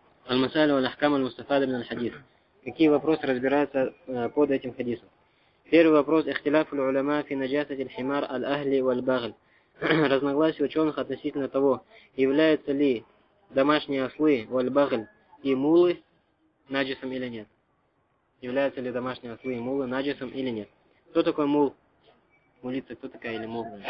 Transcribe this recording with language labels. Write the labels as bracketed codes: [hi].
[ar] المسائل والأحكام المستفادة من الحديث. [ru] Какие вопросы разбираются под этим хадисом? Первый вопрос [ar] – اختلاف العلماء في نجاسة الحمار الأهل والبغل. [ru] Разногласие ученых относительно того, являются ли домашние ослы, [ar] والبغل [ru] и мулы наджисом или нет. Являются ли домашние ослы и мулы наджисом или нет. Кто такой мул? Мулица кто такая или мул?